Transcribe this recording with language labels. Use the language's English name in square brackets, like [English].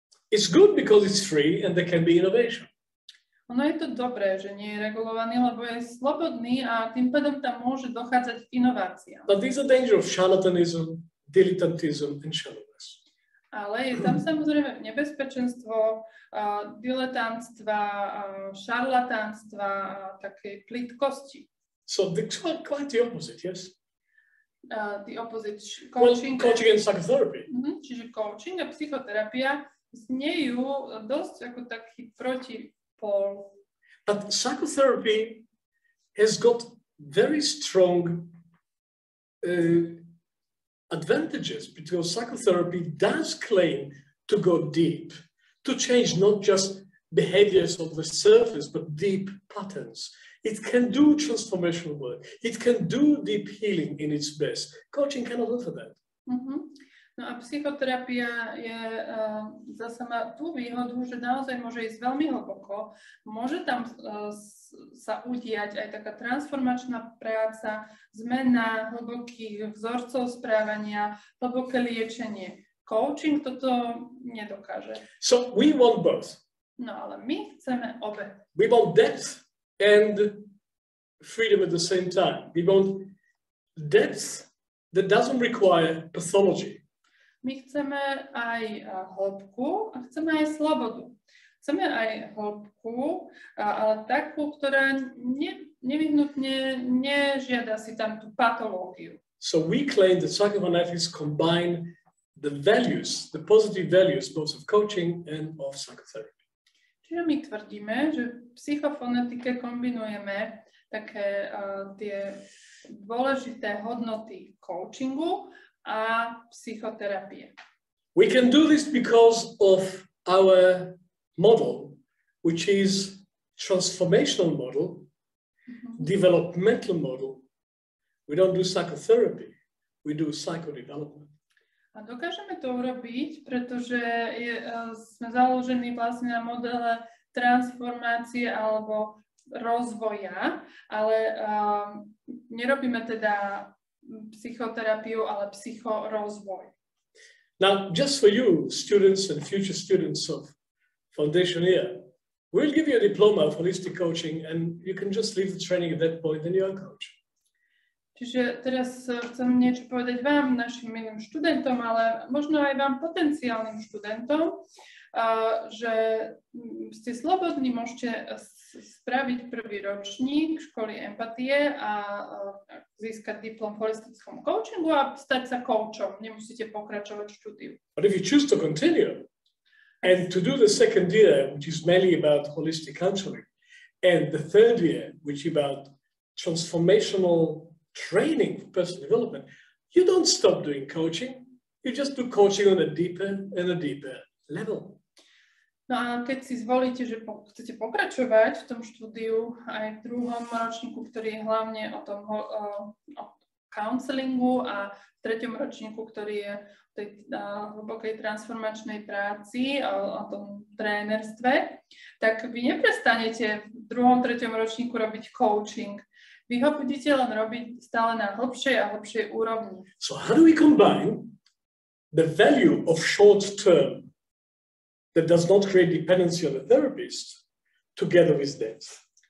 [English] It's good because it's free and there can be innovation. [Slovak] Ono je to dobré, že nie je regulovaný, lebo je slobodný a tým pádom tam môže dochádzať inovácia. [English] But this is a danger of charlatanism, dilettantism and shallowness. [Slovak] Ale je tam samozrejme nebezpečenstvo diletantstva, šarlatánstva a takej plytkosti. [English] So quite the opposite, yes. The opposite, coaching. Well, coaching and psychotherapy. Mm-hmm. [Slovak] Čiže coaching a psychoterapia znejú dosť ako taký protipol. [English] But psychotherapy has got very strong advantages because psychotherapy does claim to go deep, to change not just behaviors of the surface, but deep patterns. It can do transformational work. It can do deep healing in its best. Coaching cannot offer that. Mm-hmm. [Slovak] No a psychoterapia je zase má tú výhodu, že naozaj môže ísť veľmi hlboko. Môže tam sa udiať aj taká transformačná práca, zmena hlbokých vzorcov správania, hlboké liečenie. Coaching toto nedokáže. [English] So we want both. [Slovak] No, ale my chceme obe. [English] We want depth and freedom at the same time. We want depth that doesn't require pathology. [Slovak] My chceme aj hĺbku a chceme aj slobodu. Chceme aj hĺbku, ale takú, ktorá nevyhnutne nežiada si tam tú patológiu. [English] So we claim that psychophonetics combine the values, the positive values, both of coaching and of psychotherapy. [Slovak] Čiže my tvrdíme, že v psychofonetike kombinujeme také tie dôležité hodnoty coachingu a psychoterapie. [English] We can do this because of our model, which is transformational model, developmental model. We don't do psychotherapy, we do psychodevelopment. [Slovak] A dokážeme to urobiť, pretože sme založení vlastne na modele transformácie alebo rozvoja, ale nerobíme teda psychoterapiu, ale psychorozvoj. [English] Now, just for you, students and future students of foundation year, we'll give you a diploma of holistic coaching and you can just leave the training at that point and you're a coach. [Slovak] Čiže teraz chcem niečo povedať vám, našim milým študentom, ale možno aj vám potenciálnym študentom, že ste slobodní, môžete spraviť prvý ročník školy empatie a získať diplom v holistickom coachingu a stať sa coachom. Nemusíte pokračovať štúdiu. [English] But if you choose to continue and to do the second year, which is mainly about holistic counseling, and the third year, which is about transformational training for personal development, you don't stop doing coaching, you just do coaching on a deeper and a deeper level. [Slovak] No a keď si zvolíte, že chcete pokračovať v tom štúdiu aj v druhom ročníku, ktorý je hlavne o tom o counselingu a v treťom ročníku, ktorý je o tej hlbokej transformačnej práci a o tom trénerstve, tak vy neprestanete v druhom, treťom ročníku robiť coaching. Vy ho budete len robiť stále na hlbšej a hlbšej úrovni. [English] So how do we combine the value of short term that does not create dependency on the therapist together with depth?